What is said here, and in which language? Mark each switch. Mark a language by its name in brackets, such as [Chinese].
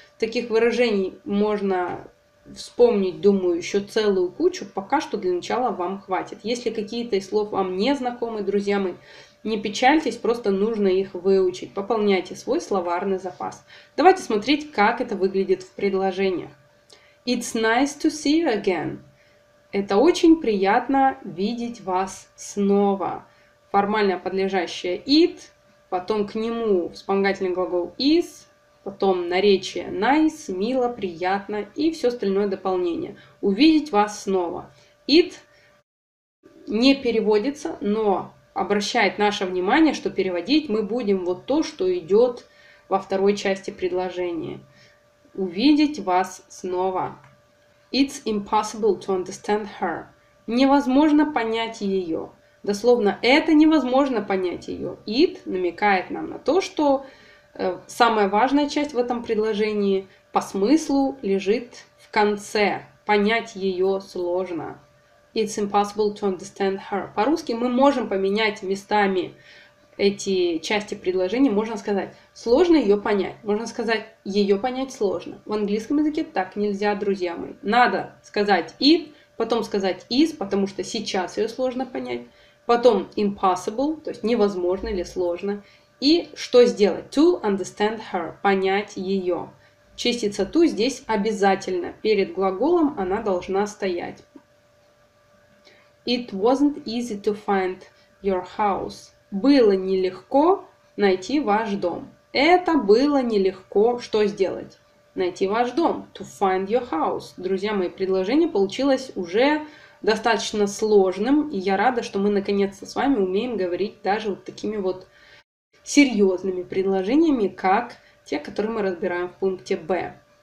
[Russian] Таких выражений можно вспомнить, думаю, еще целую кучу. Пока что для начала вам хватит. Если какие-то из слов вам не знакомы, друзья мои, не печальтесь, просто нужно их выучить. Пополняйте свой словарный запас. Давайте смотреть, как это выглядит в предложениях. [English] It's nice to see you again. [Russian] Это очень приятно видеть вас снова. Формально подлежащее it, потом к нему вспомогательный глагол is, потом наречие nice, мило, приятно и все остальное дополнение. Увидеть вас снова. It не переводится, но обращает наше внимание, что переводить мы будем вот то, что идет во второй части предложения. Увидеть вас снова. [English] It's impossible to understand her. [Russian] Невозможно понять ее. Дословно, это невозможно понять ее. It намекает нам на то, что самая важная часть в этом предложении по смыслу лежит в конце. Понять ее сложно. [English] It's impossible to understand her. [Russian] По-русски мы можем поменять местами эти части предложения. Можно сказать, сложно ее понять. Можно сказать, ее понять сложно. В английском языке так нельзя, друзья мои. Надо сказать it, потом сказать is, потому что сейчас ее сложно понять. Потом impossible, то есть невозможно или сложно. И что сделать? [English] To understand her, [Russian] понять ее. Частица to здесь обязательно. Перед глаголом она должна стоять. [English] It wasn't easy to find your house. [Russian] Было нелегко найти ваш дом. Это было нелегко. Что сделать? Найти ваш дом. [English] To find your house. [Russian] Друзья мои, предложение получилось уже достаточно сложным, и я рада, что мы наконец-то с вами умеем говорить даже вот такими вот серьезными предложениями, как те, которые мы разбираем в пункте B.